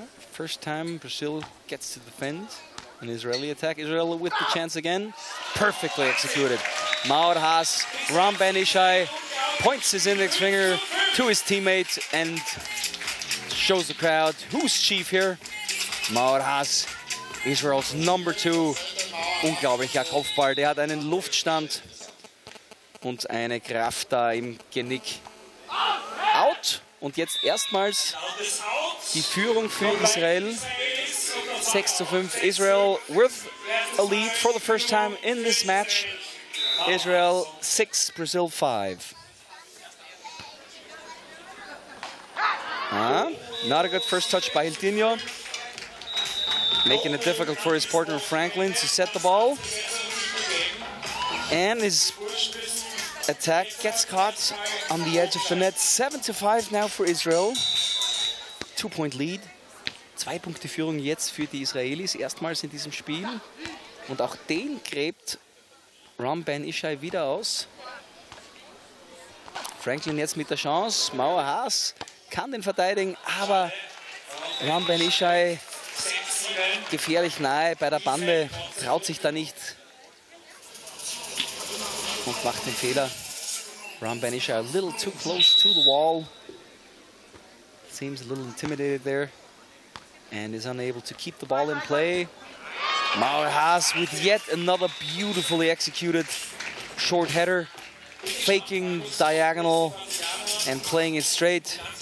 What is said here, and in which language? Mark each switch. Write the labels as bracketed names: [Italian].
[English] First time Brazil gets to defend an Israeli attack. Israel with the chance again. Perfectly executed. Maor Haas, Ron Ben Ishay points his index finger to his teammates and shows the crowd who's chief here. Maor Haas, Israel's number two. [German] Unglaublicher Kopfball. Der hat einen Luftstand und eine Kraft da im Genick. Out. Und jetzt erstmals die Führung für Israel. [English] 6-5, Israel with a lead for the first time in this match. Israel 6, Brazil 5. Not a good first touch by Hiltinho. Making it difficult for his partner Franklin to set the ball. And his attack gets caught on the edge of the net. 7-5 now for Israel. 2-point lead. [German] 2-Punkte Führung jetzt für die Israelis, erstmals in diesem Spiel. Und auch den gräbt Ram Ben Ishay wieder aus. Franklin jetzt mit der Chance. Maor Haas kann den verteidigen, aber Ram Ben Ishay gefährlich nahe bei der Bande, traut sich da nicht und macht den Fehler. [English] Ram Ben Ishay a little too close to the wall. Seems a little intimidated there. And is unable to keep the ball in play. Maor Haas with yet another beautifully executed short header. Faking diagonal and playing it straight.